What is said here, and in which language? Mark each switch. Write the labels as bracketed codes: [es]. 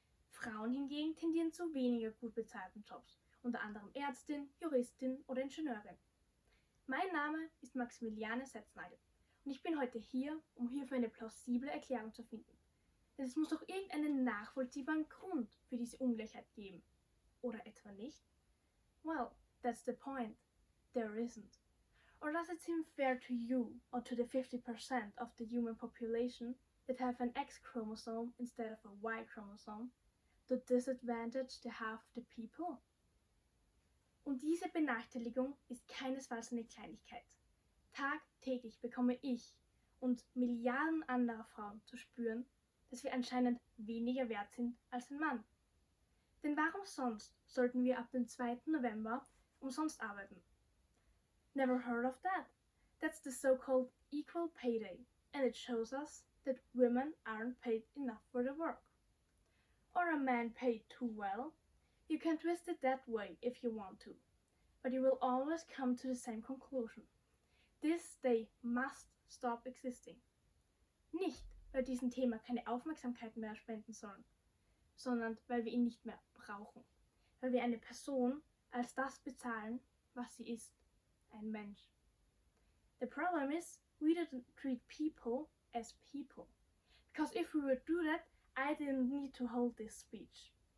[de] Frauen hingegen tendieren zu weniger gut bezahlten Jobs, unter anderem Ärztin, Juristin oder Ingenieurin. Mein Name ist Maximiliane Setznagel und ich bin heute hier, um hierfür eine plausible Erklärung zu finden. Denn es muss doch irgendeinen nachvollziehbaren Grund für diese Ungleichheit geben. Oder etwa nicht? [en] Well, that's the point. There isn't. Or does it seem fair to you or to the 50% of the human population that have an X chromosome instead of a Y chromosome to disadvantage the half the people? [de] Und diese Benachteiligung ist keinesfalls eine Kleinigkeit. Tagtäglich bekomme ich und Milliarden anderer Frauen zu spüren, dass wir anscheinend weniger wert sind als ein Mann. Denn warum sonst sollten wir ab dem 2. November umsonst arbeiten? [en] Never heard of that. That's the so-called Equal Pay Day, and it shows us that women aren't paid enough for the work. Or a man paid too well? You can twist it that way if you want to, but you will always come to the same conclusion. This day must stop existing. [de] Nicht, weil wir diesem Thema keine Aufmerksamkeit mehr spenden sollen, sondern weil wir ihn nicht mehr brauchen. Weil wir eine Person als das bezahlen, was sie ist. Ein Mensch. [en] The problem is, we don't treat people as people. Because if we would do that, I didn't need to hold this speech.